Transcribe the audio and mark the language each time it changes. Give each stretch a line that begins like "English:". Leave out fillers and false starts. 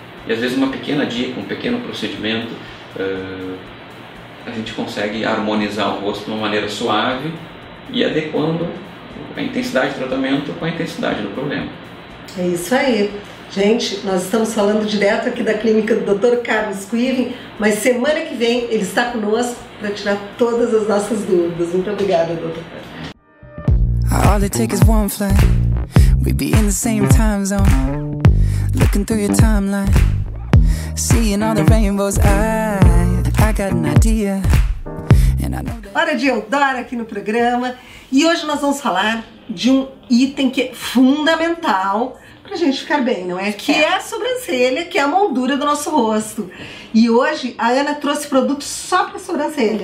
Portuguese: E às vezes, uma pequena dica, um pequeno procedimento, a gente consegue harmonizar o rosto de uma maneira suave e adequando a intensidade do tratamento com a intensidade do problema. É isso aí. Gente, nós estamos falando direto aqui da clínica do Dr. Carlos Cuivin, mas semana que vem ele está conosco para tirar todas as nossas dúvidas. Muito obrigada, doutor.
English: All it takes is one flight. We'd be in the same time zone, looking through your timeline, seeing all the rainbows. I got an idea.
Portuguese: Hora de Eudora aqui no programa, e hoje nós vamos falar de um item que é fundamental pra gente ficar bem, não é? Que é a sobrancelha, que é a moldura do nosso rosto. E hoje a Ana trouxe produto só pra sobrancelha,